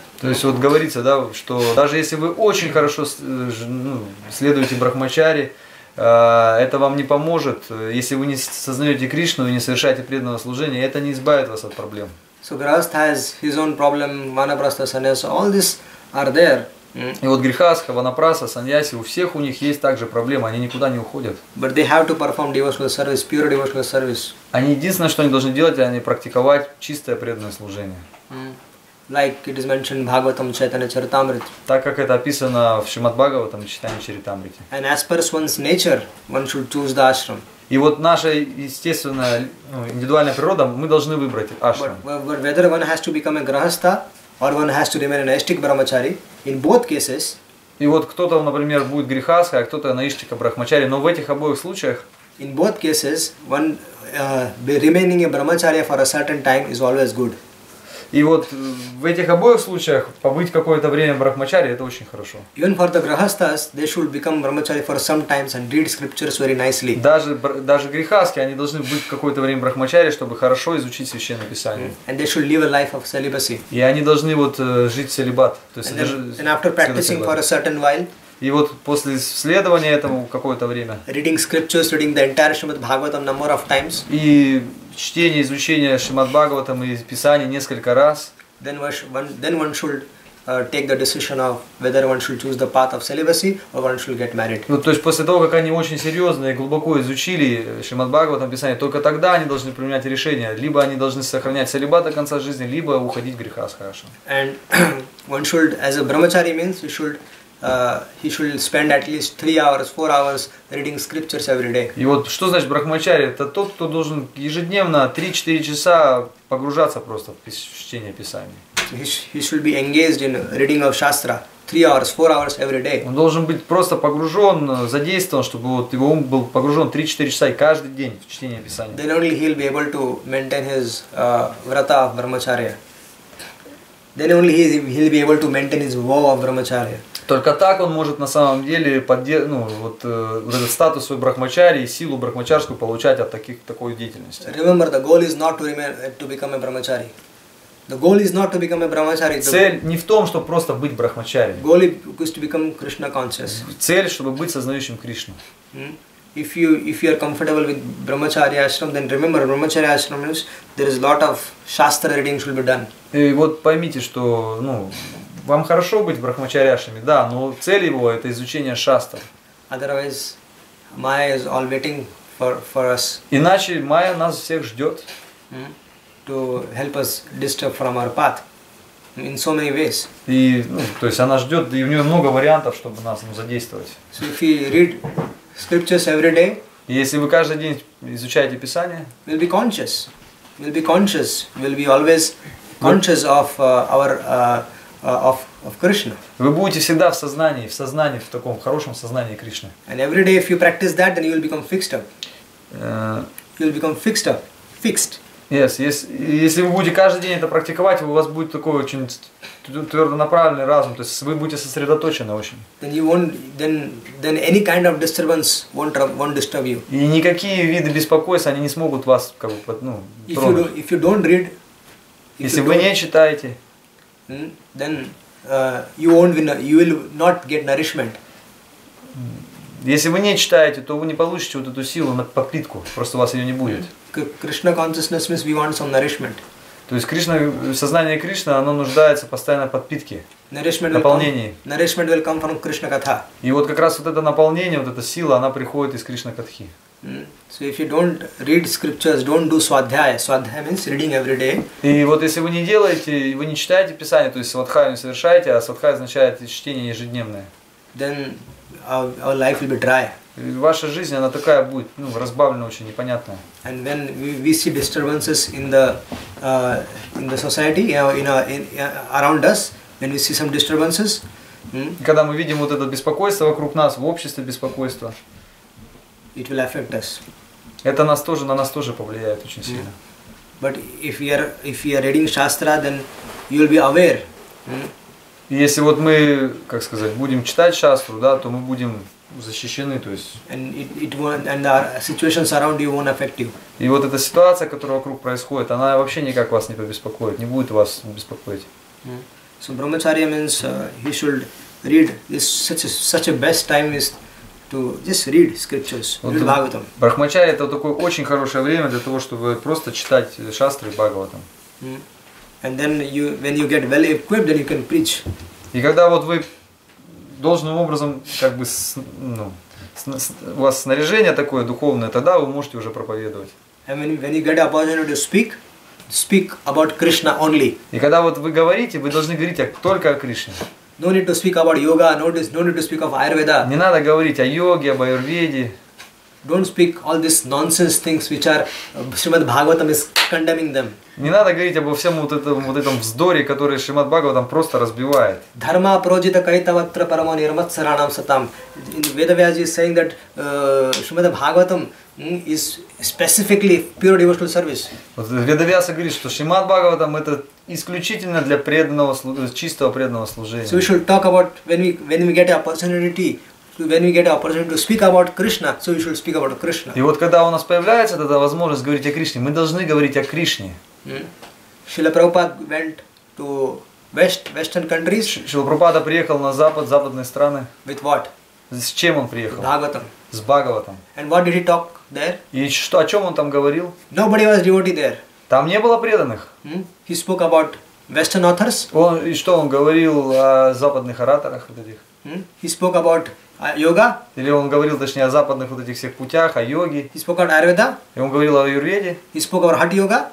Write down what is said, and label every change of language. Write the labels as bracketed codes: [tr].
[ru] То есть вот говорится, да, что даже если вы очень хорошо следуете брахмачари, это вам не поможет, если вы не сознаете Кришну и не совершаете преданного служения, это не избавит вас от проблем. [en] So grihastha has his own problem, vanaprastha, sannyasa, all these are there. [ru] И вот грихастха, ванапрастха, саньяси, у всех у них есть также проблемы, они никуда не уходят. [en] But they have to perform devotional service, pure devotional service. [ru] Они единственное, что они должны делать, это практиковать чистое преданное служение. [en] Like it is mentioned in Bhagavatam Chaitanya Charitamrita. [ru] Так как это описано в Шримад Бхагаватам Чайтанья Чаритамрите. [en] And as per one's nature, one should choose the ashram. [ru] И вот наша естественная, индивидуальная природа, мы должны выбрать ashram. [en] But whether one has to become a grahastha or one has to remain an aishtika brahmachari, in both cases. [ru] И вот кто-то, например, будет грихастха, а кто-то аиштика брахмачари, но в этих обоих случаях. [en] In both cases, one remaining a brahmacharya for a certain time is always good. [ru] И вот в этих обоих случаях побыть какое-то время брахмачари это очень хорошо. [en] Even for the grahasthas, they should become brahmachari for some times and read scriptures very nicely. [ru] Даже грихасхи, они должны быть какое-то время брахмачари, чтобы хорошо изучить Священное Писание. [en] And they should live a life of celibacy. [ru] И они должны вот жить целибат. То есть [en] and after practicing for a certain while. [ru] И вот после следования этому какое-то время. [en] Reading scriptures, reading the entire Shrimad Bhagavatam number of times. [ru] И чтение, изучение Шримад Бхагаватам и Писания несколько раз. [en] Then one should take the decision of whether one should choose the path of celibacy or one should get married. [ru] Ну, то есть после того, как они очень серьезно и глубоко изучили Шримад Бхагаватам Писание, только тогда они должны принимать решение. Либо они должны сохранять целибат до конца жизни, либо уходить в грихастха ашрам. [en] And one should, as a brahmachari means, you should... he should spend at least 3 hours, 4 hours reading scriptures every day. [ru] И вот что значит брахмачари? Это тот, кто должен ежедневно 3-4 часа погружаться просто в чтение Писания. [en] He should be engaged in reading of Shastra 3 hours, 4 hours every day. [ru] Он должен быть просто погружен, задействован, чтобы вот его ум был погружен 3-4 часа каждый день в чтение Писания. [en] Then only he'll be able to maintain his vrata of brahmacharya. Then only he'll be able to maintain his vow of brahmacharya. [ru] Только так он может на самом деле этот статус свой брахмачари и силу брахмачарскую получать от такой деятельности. [en] Remember, the goal is not to become a brahmachari. The goal is not to become a brahmachari. [ru] Цель не в том, чтобы просто быть брахмачари. [en] Goal is to become Krishna conscious. [ru] Цель, чтобы быть сознающим Кришну. [en] If you are comfortable with brahmacharya ashram, then remember brahmacharya ashram means there is a lot of shastra reading should be done. [ru] И вот поймите, что вам хорошо быть брахмачаряшами, да, но цель его это изучение шастр. [en] Otherwise, Maya is all waiting for us. [ru] Иначе Майя нас всех ждет. [en] To help us disturb from our path. in so many ways. [ru] И, ну, то есть она ждет, и у нее много вариантов, чтобы нас задействовать. [en] So if we read scriptures every day, [ru] и если вы каждый день изучаете Писание, [en] we'll be conscious. We'll be conscious. We'll be always conscious of our of Krishna. [ru] Вы будете всегда в сознании, в таком хорошем сознании Кришны. [en] And every day, if you practice that, then you will become fixed up. You'll become fixed up, fixed. Yes, yes. [ru] Если вы будете каждый день это практиковать, у вас будет такой очень твердо направленный разум, то есть вы будете сосредоточены очень. [en] Then you won't, then any kind of disturbance won't disturb you. [ru] И никакие виды беспокойства они не смогут вас как бы, ну, тронуть. [en] If you don't read, [ru] если вы не читаете, [en] then you won't win, you will not get nourishment. [ru] Если вы не читаете, то вы не получите вот эту силу на подпитку, просто у вас ее не будет. [en] Krishna consciousness means we want some nourishment. [ru] То есть Кришна, сознание Кришны, оно нуждается постоянно в подпитке, наполнении. [en] Nourishment will come from Krishna Katha. [ru] И вот как раз вот это наполнение, вот эта сила, она приходит из Кришна Катхи. [en] So if you don't read scriptures, don't do swadhyaya. Swadhyaya means reading every day. [ru] И вот если вы не делаете, вы не читаете Писание, то есть свадхаю не совершаете, а свадхая означает чтение ежедневное. [en] Then our life will be dry. [ru] Ваша жизнь она такая будет, ну, разбавленная очень, непонятная. [en] And when we see disturbances in the society, around us, when we see some disturbances. [ru] Когда мы видим вот это беспокойство вокруг нас, в обществе беспокойство. [en] It will affect us. [ru] Это нас тоже, на нас тоже повлияет очень сильно. [en] But if you are reading shastra, then you will be aware. [ru] Если вот мы, как сказать, будем читать шастру, да, то мы будем защищены, то есть. [en] And it won't, and our situations around you won't affect you. [ru] И вот эта ситуация, которая вокруг происходит, она вообще никак вас не побеспокоит, не будет вас беспокоить. [en] So brahmacharya means he should read. This such a best time is to just read scriptures, read Bhagavatam. [ru] Брахмачарья — это такое очень хорошее время для того, чтобы просто читать шастры и Бхагаватам. [en] And then you, when you get well equipped, then you can preach. [ru] И когда вот вы должным образом, как бы, ну, у вас снаряжение такое духовное, тогда вы можете уже проповедовать. [en] And when you get opportunity to speak about Krishna only. [ru] И когда вот вы говорите, вы должны говорить только о Кришне. [en] No need to speak about yoga. No need to speak of Ayurveda. [ru] Не надо говорить о йоге, об Айурведе. [en] Don't speak all these nonsense things which are Srimad Bhagavatam is condemning them. [ru] Не надо говорить обо всем вот этом вздоре, который Шримад Бхагаватам просто разбивает. [sa] Dharma prajita kaitavatra paramo nirmat saranam satam. [en] Vedavyaji is saying that Srimad Bhagavatam is specifically pure devotional service. [ru] Вот Vedavyasa говорит, что Шримад Бхагаватам это исключительно для преданного, чистого преданного служения. [en] So we should talk about when we get an opportunity. When we get an opportunity to speak about Krishna, so we should speak about Krishna. [ru] И вот когда у нас появляется тогда возможность говорить о Кришне, мы должны говорить о Кришне. [en] Шрила Прабхупада went to western countries. [ru] Шрила Прабхупада приехал на запад, западные страны. [en] With what? [ru] С чем он приехал? [en] Bhagavatam. [ru] С Бхагаватом. [en] And what did he talk there? [ru] И что, о чем он там говорил? [en] Nobody was devotee there. [ru] Там не было преданных. [en] He spoke about western authors. [ru] Он, и что он говорил о западных ораторах вот этих? [en] He spoke about йога. [ru] Или он говорил, точнее, о западных вот этих всех путях, о йоге. [en] He spoke about Ayurveda. [ru] И он говорил о Аюрведе. [en] He spoke about Hatha Yoga.